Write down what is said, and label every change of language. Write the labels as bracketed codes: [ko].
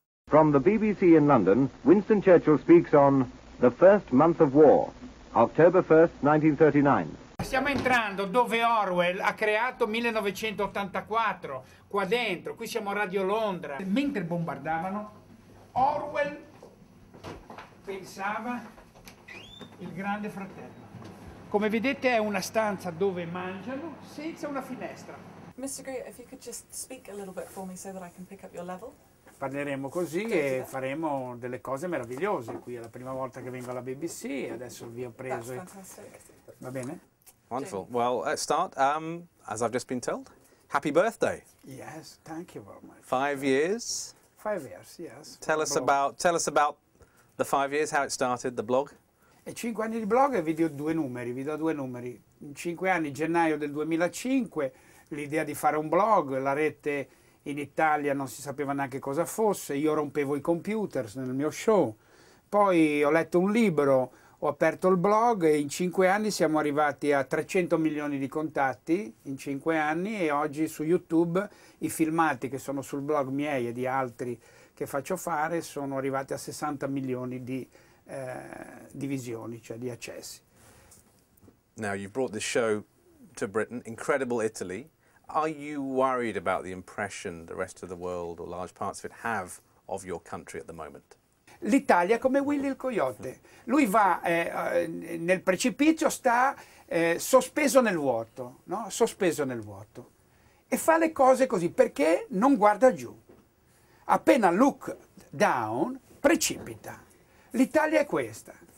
[en] From the BBC in London, Winston Churchill speaks on the first month of war, October 1st, 1939. [it] Stiamo entrando dove Orwell ha creato 1984, qua dentro, qui siamo a Radio Londra. Mentre bombardavano, Orwell pensava il Grande Fratello. Come vedete è una stanza dove mangiano senza una finestra. [en] Mr. Grey, if you could just speak a little bit for me so that I can pick up your level. [it] Parleremo così e faremo delle cose meravigliose qui. È la prima volta che vengo alla BBC e adesso vi ho preso. [en] That's fantastic. [it] Va bene? [en] Wonderful. Well, let's start. As I've just been told, happy birthday. Yes, thank you very much. 5 years? 5 years, yes. Tell us about the 5 years, how it started, the blog. [it] E 5 anni di blog e vi do due numeri. 5 anni, gennaio del 2005, l'idea di fare un blog, la rete. In Italia non si sapeva neanche cosa fosse, io rompevo i computer nel mio show. Poi ho letto un libro, ho aperto il blog e in 5 anni siamo arrivati a 300 milioni di contatti in 5 anni e oggi su YouTube i filmati che sono sul blog miei e di altri che faccio fare sono arrivati a 60 milioni di visioni, cioè di accessi. [en] Now you brought this show to Britain, incredible Italy. Are you worried about the impression the rest of the world or large parts of it have of your country at the moment? [it] L'Italia come Willy il Coyote. Lui va nel precipizio, sta sospeso nel vuoto, no? Sospeso nel vuoto. E fa le cose così perché non guarda giù. Appena [en] look down, [it] precipita. L'Italia è questa.